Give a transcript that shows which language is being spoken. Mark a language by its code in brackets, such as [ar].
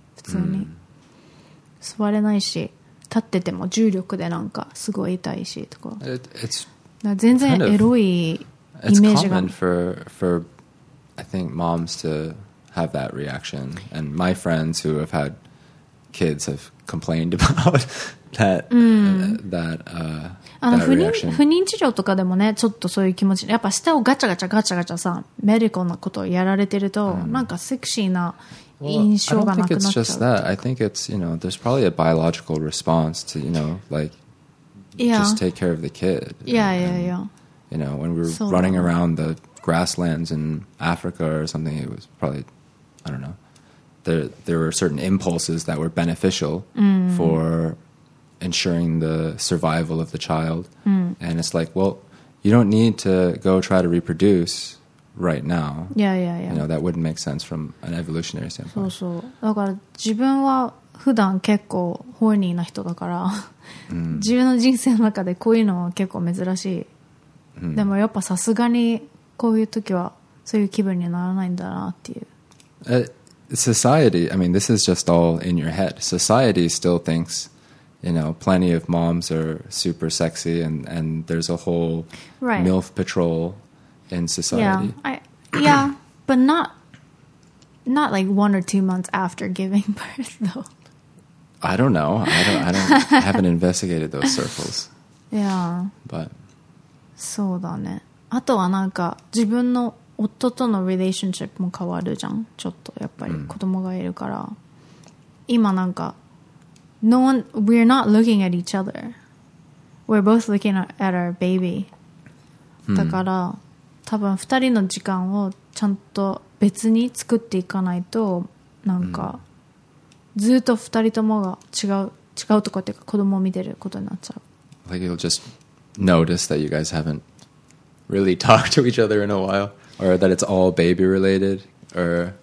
[ja] 普通に、うん、座れないし、立ってても重力でなんかすごい痛いしとか。か全然エロいイメージが。 [en] It's common for I think moms to have that reaction, and my friends who have had kids have complained about that、うん、 that、 [ja] あの不妊治療とかでもねちょっとそういう気持ち、やっぱ舌をガチャガチャガチャガチャさメディコンなことをやられてると、うん、なんかセクシーな印象がなくなっちゃう。 [en] I don't think it's just that. I think it's, you know, there's probably a biological response to, you know, like、 yeah. just take care of the kid. Yeah, and, yeah, yeah. You know, when we were running around the grasslands in Africa or something, it was probably, I don't know, there were certain impulses that were beneficial、うん、 for... ensuring the survival of the child、 mm. and it's like, well, you don't need to go try to reproduce right now. Yeah, yeah, yeah. You know, that wouldn't make sense from an evolutionary standpoint. [ja] そうそう。だから自分は普段結構ホーニーな人だから、自分の人生の中でこういうのは結構珍しい。でもやっぱさすがにこういう時はそういう気分にならないんだなっていう。 [en] Society, I mean, this is just all in your head. Society still thinks... You know, plenty of moms are super sexy and there's a whole、 right. MILF patrol in society. Yeah, but not like 1 or 2 months after giving birth, though. I don't know. I haven't investigated those circles. Yeah. But. [ja] そうだね。あとはなんか自分の夫との relationship も変わるじゃん。ちょっとやっぱり子供がいるから。今なんか [en] No one, we're not looking at each other. We're both looking at our baby.、Mm. [ja] だから多分二人の時間をちゃんと別に作っていかないとなんか、mm. ずっと二人ともが違うとかっていうか子供を見てることになっちゃう。 [en] Like you'll just notice that you guys haven't really talked to each other in a while, or that it's all baby related, or...